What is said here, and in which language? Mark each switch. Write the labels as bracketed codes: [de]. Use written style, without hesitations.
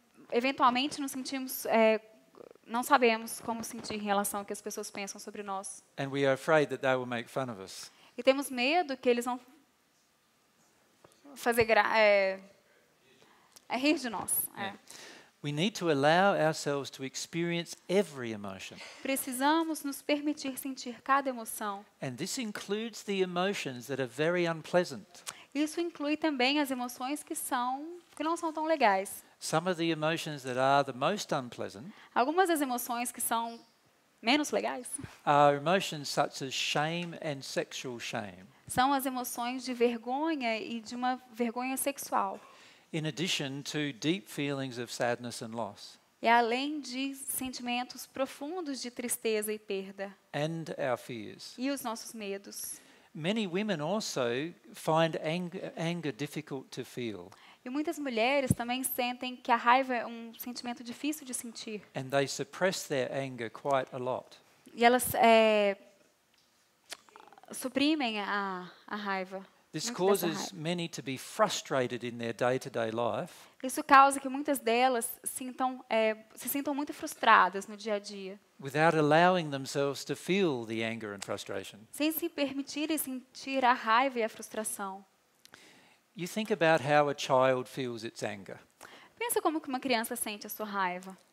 [pt] Eventualmente nos sentimos não sabemos como sentir em relação ao que as pessoas pensam sobre nós. [en] And we are afraid that they will make fun of us. [pt] E temos medo que eles vão fazer rir de nós. [en] We need to allow ourselves to experience every emotion. [pt] Precisamos nos permitir sentir cada emoção. [en] And this includes the emotions that are very unpleasant. [pt] Isso inclui também as emoções que não são tão legais. [en] Some of the emotions that are the most unpleasant. [pt] Algumas das emoções que são menos legais. [en] Are emotions such as shame and sexual shame. [pt] São as emoções de vergonha e de uma vergonha sexual. [en] In addition to deep feelings of sadness and loss. [pt] E além de sentimentos profundos de tristeza e perda. [en] And our fears. [pt] E os nossos medos. [en] Many women also find anger difficult to feel. [pt] E muitas mulheres também sentem que a raiva é um sentimento difícil de sentir. [en] And they suppress their anger quite a lot. [pt] E elas suprimem a raiva. [en] This causes many to be frustrated in their day-to-day life. [pt] Isso causa que muitas delas se sintam muito frustradas no dia a dia. [en] Without allowing themselves to feel the anger and frustration. [pt] Sem se permitirem sentir a raiva e a frustração. [en] You think about how a child feels its anger. [pt] Pensa como que uma criança sente a sua raiva.